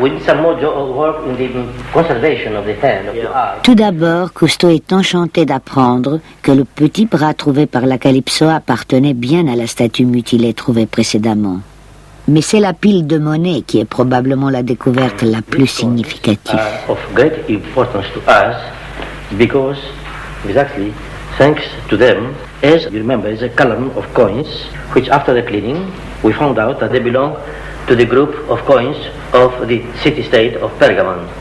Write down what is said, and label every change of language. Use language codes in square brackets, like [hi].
[en] We need some more work in the conservation of the hand, of the arm. [fr] Tout d'abord, Cousteau est enchanté d'apprendre que le petit bras trouvé par la Calypso appartenait bien à la statue mutilée trouvée précédemment. Mais c'est la pile de monnaie qui est probablement la découverte la plus significative. [en] Of great importance to us, because exactly thanks to them. As you remember, it's a column of coins, which after the cleaning, we found out that they belong to the group of coins of the city-state of Pergamon.